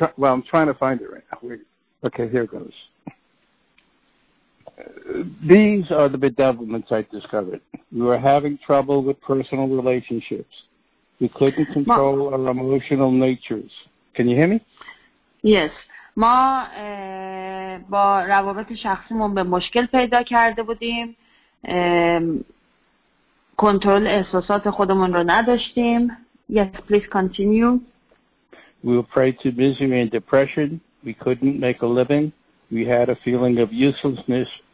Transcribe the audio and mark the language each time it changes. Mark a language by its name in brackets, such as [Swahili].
[English] I'm trying to find it right now. Here it goes. These are the bedevilments I discovered. We were having trouble with personal relationships. We couldn't control our emotional natures. Can you hear me? Yes. [Persian] ما با روابط شخصیمون به مشکل پیدا کرده بودیم. کنترل احساسات خودمون رو نداشتیم. [English] Yes, please continue. We were prey to misery and depression. We couldn't make a living. We had a feeling of uselessness.